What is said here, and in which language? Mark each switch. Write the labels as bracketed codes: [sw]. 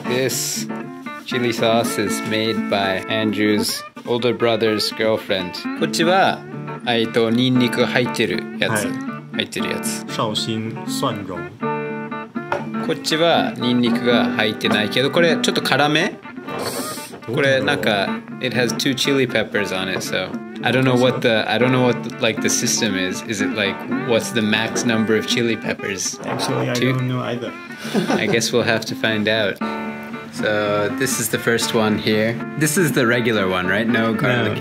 [en] This chili sauce is made by Andrew's older brother's girlfriend。 [ja] こっちは愛とニンニク入ってるやつ。はい、入ってるやつ。 [zh] 绍兴蒜蓉。 [ja] こっちはニンニクが入ってないけど、これちょっと辛め。これなんか [en] it has two chili peppers on it so。 I don't know what like the system is. Is it like what's the max number of chili peppers? Actually, I don't know either. I guess we'll have to find out. So this is the first one here. This is the regular one, right? No garlic.